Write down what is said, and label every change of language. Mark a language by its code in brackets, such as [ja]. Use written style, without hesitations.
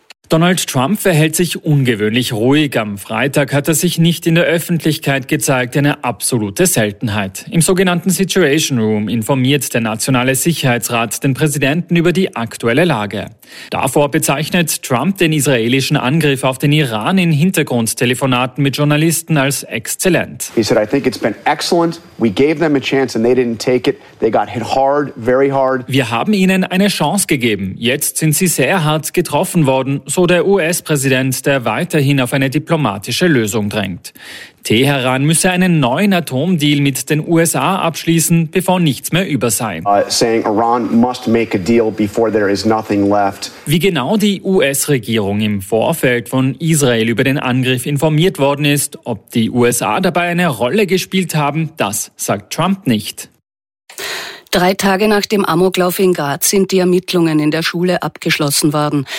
[de] Donald Trump verhält sich ungewöhnlich ruhig. Am Freitag hat er sich nicht in der Öffentlichkeit gezeigt, eine absolute Seltenheit. Im sogenannten Situation Room informiert der Nationale Sicherheitsrat den Präsidenten über die aktuelle Lage. Davor bezeichnet Trump den israelischen Angriff auf den Iran in Hintergrundtelefonaten mit Journalisten als exzellent. [en] He said, I think it's been excellent. We gave them a chance and they didn't take it. They got hit hard, very hard. [de] Wir haben ihnen eine Chance gegeben. Jetzt sind sie sehr hart getroffen worden, so der US-Präsident, der weiterhin auf eine diplomatische Lösung drängt. Teheran müsse einen neuen Atomdeal mit den USA abschließen, bevor nichts mehr über sei. [en] Saying Iran must make a deal before there is nothing left. [de] Wie genau die US-Regierung im Vorfeld von Israel über den Angriff informiert worden ist, ob die USA dabei eine Rolle gespielt haben, das sagt Trump nicht. 3 Tage nach dem Amoklauf in Graz sind die Ermittlungen in der Schule abgeschlossen worden.